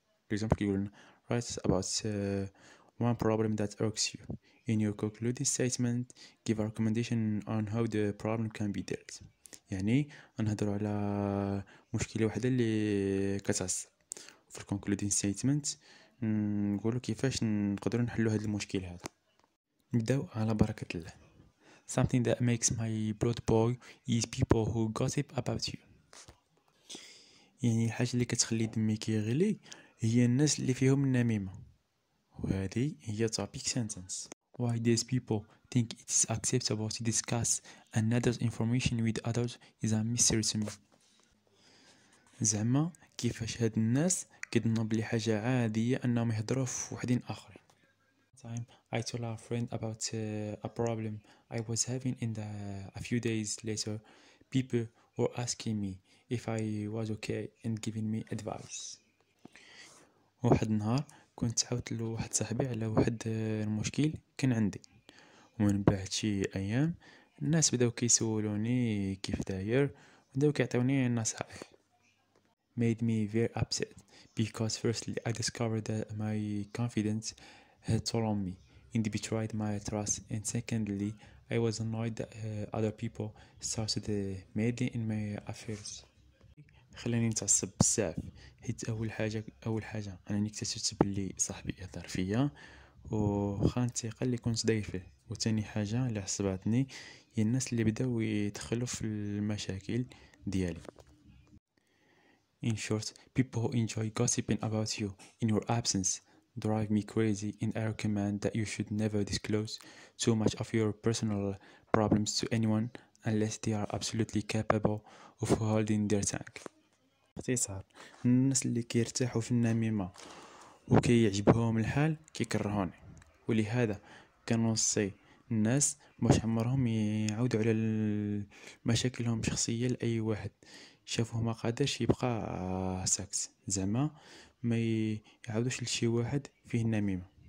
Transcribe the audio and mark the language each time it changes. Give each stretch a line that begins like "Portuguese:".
Arabic: ليكزامبل كيقول لنا
English: write about one problem that irks you in your concluding statement give a recommendation on how the problem can be dealt،
Arabic: يعني نهضرو على مشكلة واحدة اللي كتعص في الكونكلودين ستيتمنت، نقولو كيفاش نقدرو نحلو هاد المشكل هذا. نبداو على بركة الله.
English: Something that makes my blood boil is people who gossip about you.
Arabic: يعني الحاجة اللي كتخلي دمي كيغلي هي الناس اللي فيهم النميمة. وهذه هي topic sentence.
English: Why these people think it's acceptable to discuss another's information with others is a mystery to me.
Arabic: زعما كيفاش هاد الناس كيظنوا بلي حاجة عادية انهم يهضروا في وحدين اخر.
English: Time I told a friend about a problem I was having in the a few days later people were asking me if I was okay and giving me advice.
Arabic: واحد النهار كنت عاودت لواحد صاحبي على واحد المشكل كان عندي، ومن بعد شي ايام الناس بداو كيسولوني كيف داير وبداو كيعطيوني النصائح.
English: Made me very upset because firstly I discovered that my confidence had told me and betrayed my trust, and secondly I was annoyed that other people started meddling in my affairs.
Arabic: خلاني نتعصب بزاف حيت اول حاجة انا اكتشفت بلي صاحبي يهضر فيا وخان الثقة اللي كنت داير فيه، وثاني حاجة اللي عصبتني هي الناس اللي بداو يدخلوا في المشاكل ديالي.
English: In short, people who enjoy gossiping about you in your absence drive me crazy and I recommend that you should never disclose too much of your personal problems to anyone unless they are absolutely capable of holding their tongue.
Arabic: اختصار الناس اللي كيرتاحوا في النميمة وكيعجبهم الحال كيكرهوني، ولهذا كنوصي الناس باش عمرهم يعودوا على مشاكلهم الشخصية لأي واحد شافوه ما قادرش يبقى ساكت، زعما ما يعاودوش لشي واحد فيه النميمة.